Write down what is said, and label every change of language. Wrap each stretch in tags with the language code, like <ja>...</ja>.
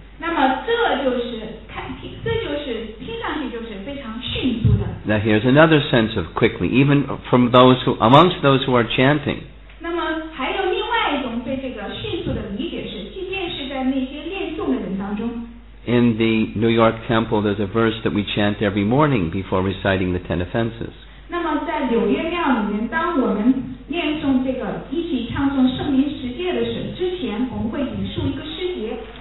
<zh>那么这就是听上去就是非常迅速的。</zh> <en>Now here's another sense of quickly, even from those who, amongst those who are chanting.</en> <zh>那么还有另外一种对这个迅速的理解是，即便是在那些念诵的人当中。</zh> <en>In the New York temple, there's a verse that we chant every morning before reciting the 10 offenses.</en> <zh>那么在纽约庙里面，当我们念诵这个一起唱诵圣名十诫的时之前，我们会引述一个诗节。</zh>